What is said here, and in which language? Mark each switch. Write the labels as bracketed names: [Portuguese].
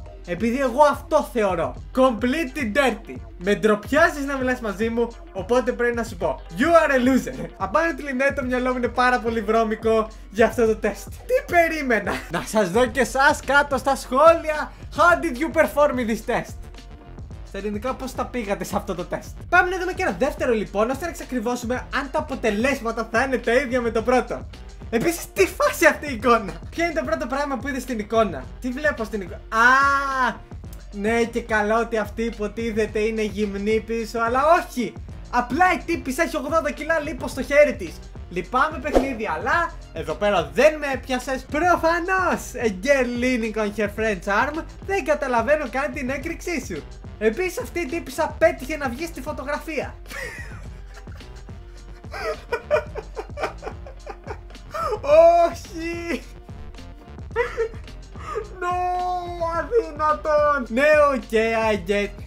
[Greek] Επειδή εγώ αυτό θεωρώ. [English] Completely dirty. [Greek] Με ντροπιάζεις να μιλάς μαζί μου, οπότε πρέπει να σου πω. [English] You are a loser. Apparently, [Greek] ναι, το μυαλό μου είναι πάρα πολύ βρώμικο για αυτό το τεστ. Τι περίμενα? Να σας δω και εσάς κάτω στα σχόλια. [English] How did you perform this test? [Greek] Στα ελληνικά, πώς τα πήγατε σε αυτό το τεστ? Πάμε να δούμε και ένα δεύτερο λοιπόν, ώστε να εξακριβώσουμε αν τα αποτελέσματα θα είναι τα ίδια με το πρώτο. Επίσης, τι φάση αυτή η εικόνα? Ποιο είναι το πρώτο πράγμα που είδες στην εικόνα? Τι βλέπω στην εικόνα? Α! Ναι, και καλό ότι αυτή υποτίθεται είναι γυμνή πίσω, αλλά όχι! Απλά η τύπης έχει 80 κιλά λίπος στο χέρι της. Λυπάμαι, παιχνίδι, αλλά εδώ πέρα δεν με έπιασες. Προφανώς! [English] A girl leaning on her friend's arm. [Greek] Δεν καταλαβαίνω καν την έκρηξή σου. Επίσης, αυτή η τύπησα πέτυχε να βγει στη φωτογραφία. Όχι! Ναι, αδύνατον! Ναι, ok, [English] I get.